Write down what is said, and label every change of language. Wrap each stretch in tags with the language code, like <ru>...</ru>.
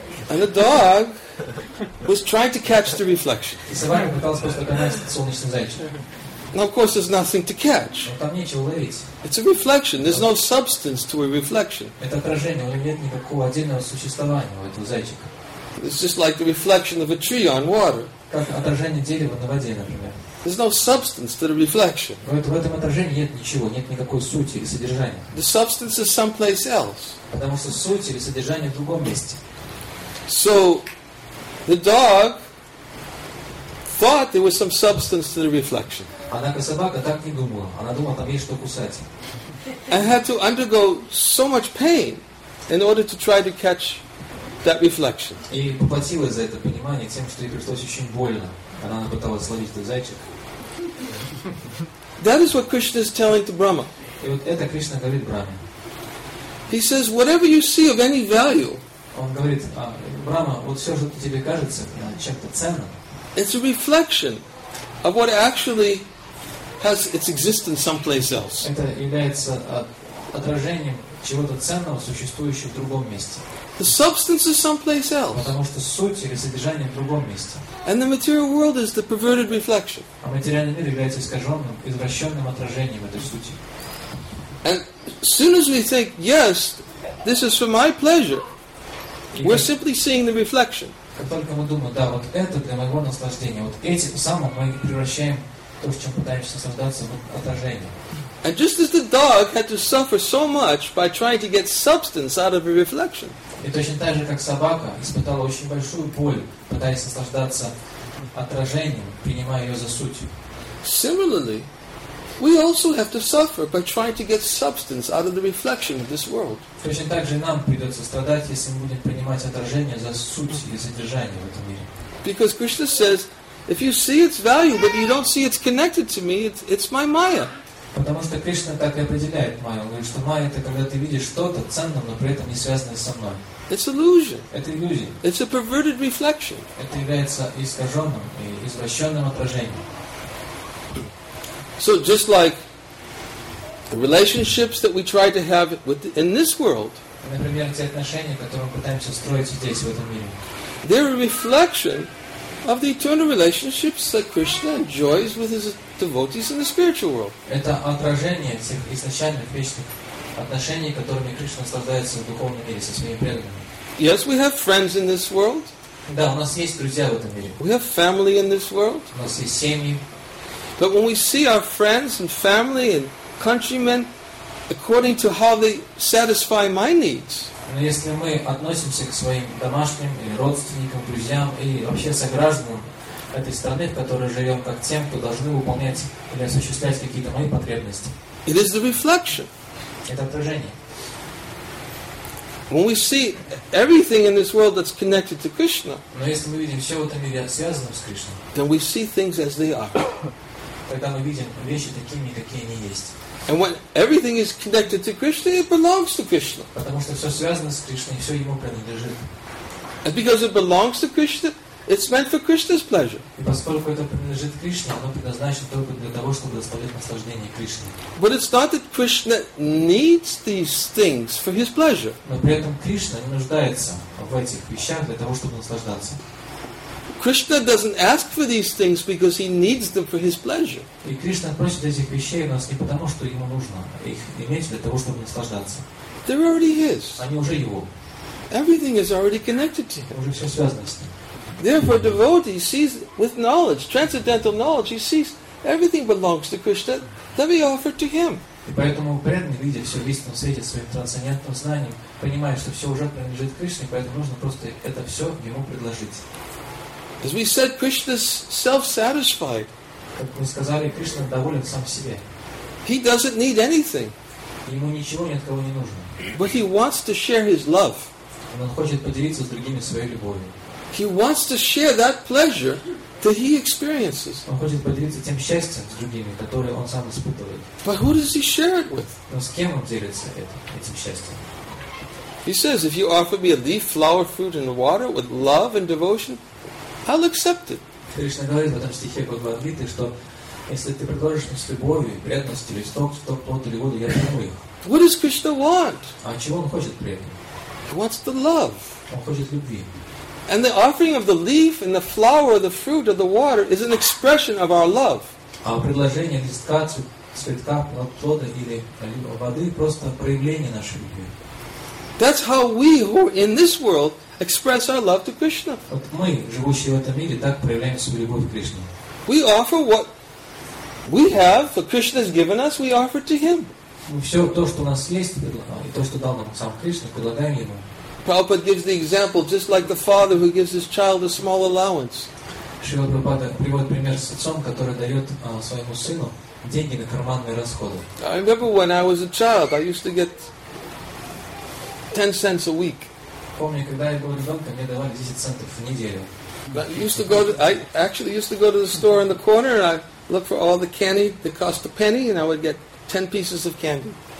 <en>And the dog was trying to catch the reflection.</en> <ru>И собака пыталась просто поймать солнечный зайчик.</ru> <en>Now, of course, there's nothing to catch.</en> <ru>Но там нечего ловить.</ru> <en>It's a reflection. There's no substance to a reflection.</en> <ru>Это отражение. У него нет никакого отдельного существования, у этого зайчика.</ru> <en>It's just like the reflection of a tree on water.</en> <ru>Как отражение дерева на воде, например.</ru> <en>There's no substance to the reflection.</en> <ru>В этом отражении нет ничего, нет никакой сути или содержания.</ru> <en>The substance is someplace else.</en> <ru>Потому что суть или содержание в другом месте.</ru> <en>So, the dog thought there was some substance to the reflection.</en> <ru>Однако собака так не думала. Она думала, там есть что кусать.</ru> <en>And had to undergo so much pain in order to try to catch that reflection.</en> <ru>И поплатилась за это понимание тем, что ей пришлось очень больно. Она пыталась словить этот зайчик.</ru> <en>That is what Krishna is telling to Brahma.</en> <ru>И вот это Кришна говорит Брахме.</ru> <en>He says, whatever you see of any value.</en> <ru>Он говорит, Брахма, вот все, что тебе кажется чем-то ценным.</ru> <en>It's a reflection of what actually has its existence someplace else.</en> <ru>Это является отражением чего-то ценного, существующего в другом месте.</ru> <en>The substance is someplace else.</en> <ru>Потому что суть или содержание в другом месте.</ru> <en>And the material world is the perverted reflection.</en> <ru>А материальный мир является искаженным, извращенным отражением этой сути.</ru> <en>And as soon as we think, yes, this is for my pleasure, we're simply seeing the reflection.</en> <ru>Как только мы думаем, да, вот это для моего наслаждения, вот этим самым мы превращаем то, в чем пытаемся наслаждаться, в отражение.</ru> <en>And just as the dog had to suffer so much by trying to get substance out of a reflection.</en> <ru>И точно так же, как собака испытала очень большую боль, пытаясь наслаждаться отражением, принимая ее за суть.</ru> <en>Similarly, we also have to suffer by trying to get substance out of the reflection of this world.</en> <ru>Точно так же нам придется страдать, если мы будем принимать отражение за суть и содержание в этом мире.</ru> <en>Because Krishna says, if you see its value, but you don't see it's connected to me, it's my Maya.</en> <ru>Потому что Кришна так и определяет майю. Он говорит, что майя это когда ты видишь что-то ценное, но при этом не связанное со мной.</ru> <en>It's illusion.</en> <ru>Это иллюзия.</ru> <en>It's a perverted reflection.</en> <ru>Это является искаженным и извращенным отражением.</ru> <en>So just like the relationships that we try to have with in this world.</en> <ru>Например, те отношения, которые мы пытаемся строить здесь, в этом мире.</ru> <en>They're a reflection of the eternal relationships that Krishna enjoys with his devotees in the spiritual world.</en> <ru>Это отражение всех изначальных вечных отношений, которыми Кришна наслаждается в духовном мире со своими преданными.</ru> <en>Yes, we have friends in this world.</en> <ru>Да, у нас есть друзья в этом мире.</ru> <en>We have family in this world.</en> <ru>У нас есть семьи.</ru> <en>But when we see our friends and family and countrymen according to how they satisfy my needs.</en> <ru>Но если мы относимся к своим домашним и родственникам, друзьям и вообще согражданам этой страны, в которой живем, как тем, кто должны выполнять или осуществлять какие-то мои потребности.</ru> <en>It is the reflection.</en> <ru>Это отражение.</ru> <en>When we see everything in this world that's connected to Krishna.</en> <ru>Но если мы видим все в этом мире связанным с Кришной.</ru> <en>Then we see things as they are.</en> <ru>Тогда мы видим вещи такими, какие они есть.</ru> <en>And when everything is connected to Krishna, it belongs to Krishna.</en> <ru>Потому что все связано с Кришной, все ему принадлежит.</ru> <en>And because it belongs to Krishna, it's meant for Krishna's pleasure.</en> <ru>И поскольку это принадлежит Кришне, оно предназначено только для того, чтобы доставлять наслаждение Кришне.</ru> <en>But it's not that Krishna needs these things for his pleasure.</en> <ru>Но при этом Кришна не нуждается в этих вещах для того, чтобы наслаждаться.</ru> <en>Krishna doesn't ask for these things because he needs them for his pleasure.</en> <ru>И Кришна просит этих вещей у нас не потому, что ему нужно их иметь для того, чтобы наслаждаться.</ru> <en>They're already his.</en> <ru>Они уже его.</ru> <en>Everything is already connected to him.</en> <ru>Уже все связано с ним.</ru> <en>Therefore, devotee sees with knowledge, transcendental knowledge, he sees everything belongs to Krishna that we offer to him.</en> <ru>И поэтому преданный, видя все в истинном свете своим трансцендентным знанием, понимает, что все уже принадлежит Кришне, поэтому нужно просто это все ему предложить.</ru> <en>As we said, Krishna is self-satisfied.</en> <ru>Как мы сказали, Кришна доволен сам себе.</ru> <en>He doesn't need anything.</en> <ru>Ему ничего ни от кого не нужно.</ru> <en>But he wants to share his love.</en> <ru>Он хочет поделиться с другими своей любовью.</ru> <en>He wants to share that pleasure that he experiences.</en> <ru>Он хочет поделиться тем счастьем с другими, которое он сам испытывает.</ru> <en>But who does he share it with?</en> <ru>Но с кем он делится этим счастьем?</ru> <en>He says, if you offer me a leaf, flower, fruit, and water with love and devotion, I'll accept it.</en> <ru>Кришна говорит в этом стихе Бхагавад-гиты, что Если ты предложишь мне с любовью, преданностью, листок, стоп, тот или воду, я приму их.</ru> <en>What does Krishna want?</en> <ru>А чего он хочет при этом?</ru> <en>He wants the love.</en> <ru>Он хочет любви.</ru> <en>And the offering of the leaf and the flower, the fruit or the water is an expression of our love.</en> <ru>А предложение листка, цветка, плода или воды просто проявление нашей любви.</ru> <en>That's how we who are in this world express our love to Krishna.</en> <ru>Вот мы, живущие в этом мире, так проявляем свою любовь к Кришне.</ru> <en>We offer what we have, what Krishna has given us, we offer to Him.</en> <ru>Все то, что у нас есть, и то, что дал нам сам Кришна, предлагаем Ему.</ru> <en>Prabhupada gives the example, just like the father who gives his child a small allowance.</en> <ru>Шрила Прабхупада приводит пример с отцом, который дает своему сыну деньги на карманные расходы.</ru> <en>I remember when I was a child, I used to get 10 cents a week.</en> <ru>Помню, когда я был ребенком, мне давали 10 центов в неделю.</ru> <en>But I used to go to the store in the corner and I look for all the candy that cost a penny and I would get 10 pieces of candy.</en>